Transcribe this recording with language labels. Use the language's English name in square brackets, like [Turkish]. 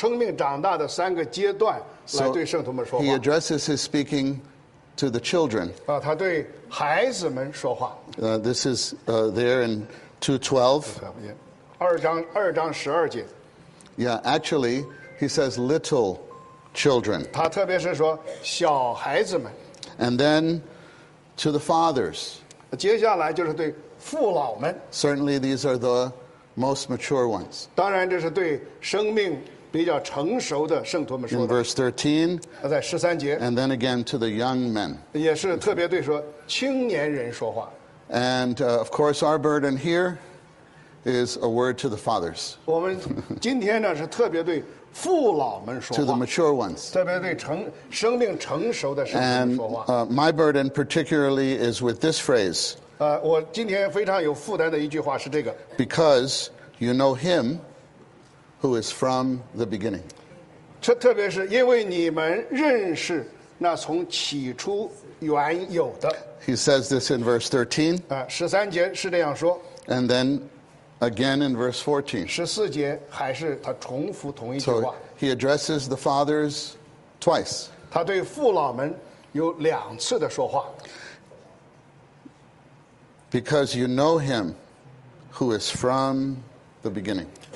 [Chinese] 他特别是照着生命长大的三个阶段来对圣徒们说话。 [English] So he addresses his speaking to the children. [Chinese] 他对孩子们说话。 [English] This is there in 2:12. [Chinese] 二章十二节。 [English] Yeah, actually, he says little children. [Chinese] 他特别是说小孩子们。 [English] And then to the fathers. [Chinese] 接下来就是对父老们。 [English] Certainly these are the most mature ones. [Chinese] 当然这是对生命比较成熟的圣徒们说的。 [English] In verse 13. [Chinese] 在13节。 [English] And then again to the young men. [Chinese] 也是特别对说青年人说话。 [English] And of course, our burden here is a word to the fathers. [Chinese] 我们今天呢是特别对父老们说话。 [English] To the mature ones. [Chinese] 特别对生命成熟的圣徒说话。 [English] And my burden particularly is with this phrase. [Chinese] 我今天非常有负担的一句话是这个。 [English] Because you know him who is from the beginning. [Chinese] 这特别是因为你们认识那从起初原有的。 [English] He says this in verse 13. [Chinese] 十三节是这样说。 [English] And then again in verse 14. [Chinese] 十四节还是他重复同一句话。 [English] So he addresses the fathers twice. [Chinese] 他对父老们有两次的说话。 [English] Because you know him who is from the beginning.